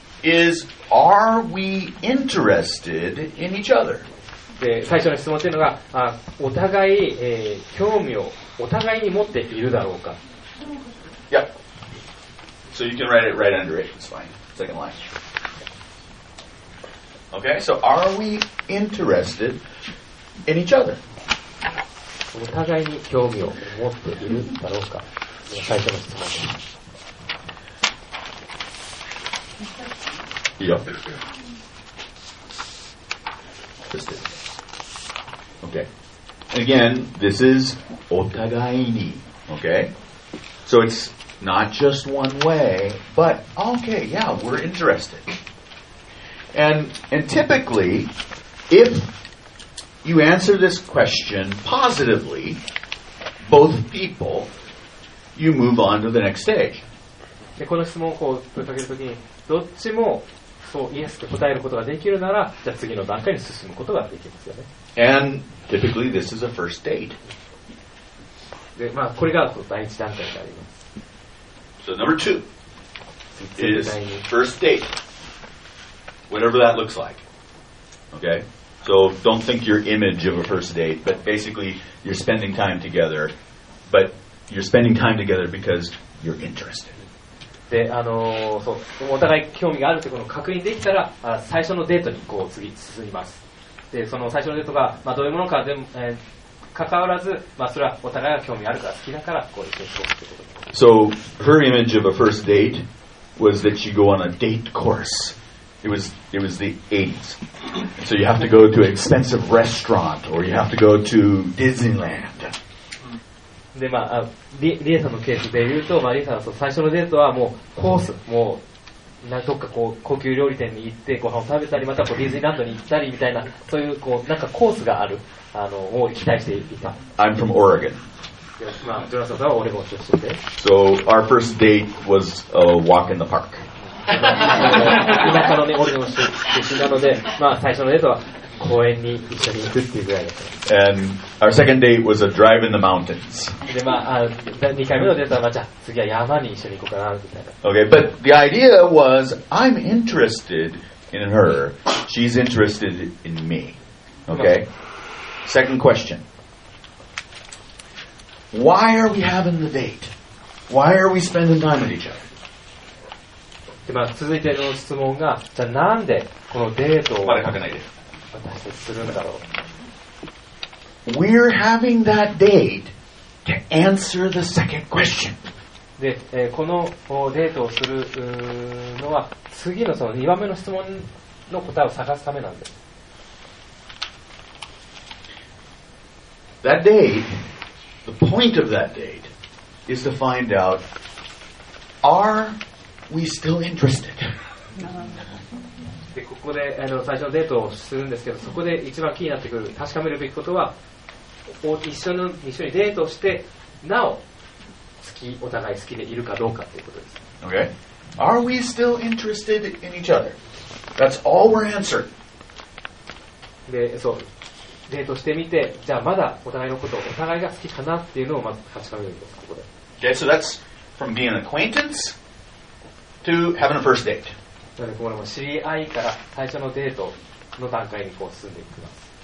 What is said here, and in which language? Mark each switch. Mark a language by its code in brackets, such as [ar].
[en] Is are we interested in each other? [ja] で最初の質問というのがお互い、興味をお互いに持っているだろうか。 [en] Yep. So you can write it right under it. It's fine. Second line. Okay. So are we interested in each other? [ja] お互いに興味を持っているだろうか。最初の質問。 [en] Yep. Okay. Again, this is otagaini. Okay. So it's not just one way, but okay, yeah, we're interested. And typically, if you answer this question positively, both people, you move on to the next stage. [ja] でこの質問をこう問いかけるときにどっちもそうイエスと答えることができるならじゃあ次の段階に進むことができますよね。 [en] And typically this is a first date. [ja] で、まあ、これが第一段階であります。 [en] So number two is first date. Whatever that looks like. Okay? So don't think your image of a first date, but basically you're spending time together, but You're spending time together because you're interested. [ja] で、あの、そう、お互い興味があるってことを確認できたら、あ、最初のデートにこう次進みます。で、その最初のデートが、まあ、どういうものかでも、関わらず、まあ、それはお互いが興味あるから好きだからこう行こうってことです。 [en] So her image of a first date was that she go on a date course. It was the 80s. So you have to go to an expensive restaurant or you have to go to Disneyland. [ja] でまあ、リエさんのケースで言うと、まあ、リエさんはそう最初のデートはもうコース、もうなんかどっかこう高級料理店に行ってご飯を食べたり、またこうディズニーランドに行ったりみたいな、そういう、 こうなんかコースがあるあのを期待していた。 [en] I'm from Oregon. [ja] まあ、ジョナサンさんはオレゴン出身で。 [en] So our first date was a walk in the park. [ja] 田舎の、ね、オレゴン出身なので、まあ、最初のデートは公園に一緒に行くっていうぐらいだった。 [en] And our second date was a drive in the mountains. [ja] で、まあ、2回目のデートは、まあ、じゃあ次は山に一緒に行こうかなみたいな。 [en] Okay, but the idea was I'm interested in her. She's interested in me. Okay. Second question. Why are we having the date? Why are we spending time with each other? [ja] で、まあ、続いての質問が、じゃあなんでこのデートを。まだ書かないで。私たちするんだろう。 [en] We're having that date to answer the second question. [ja] で、このデートをするのは次のその2番目の質問の答えを探すためなんです。 [en] That date, the point of that date is to find out, are we still interested? [ja] でここであの最初のデートをするんですけど、そこで一番気になってくる確かめるべきことは、一緒にデートしてなお好きお互い好きでいるかどうかということです。 [en] Okay, are we still interested in each other? That's all we're answering. [ja] で、そうデートしてみて、じゃあまだお互いのことをお互いが好きかなっていうのをまず確かめるんですここで。 [en] Okay, so that's from being an acquaintance to having a first date. [ja] これも知り合いから最初のデートの段階にこう進んでいきます。